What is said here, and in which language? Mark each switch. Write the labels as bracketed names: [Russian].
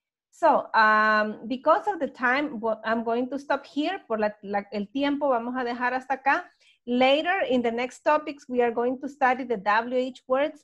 [English] So, because of the time, I'm going to stop here. [Spanish] Por el tiempo vamos a dejar hasta acá. [English] Later, in the next topics, we are going to study the WH words.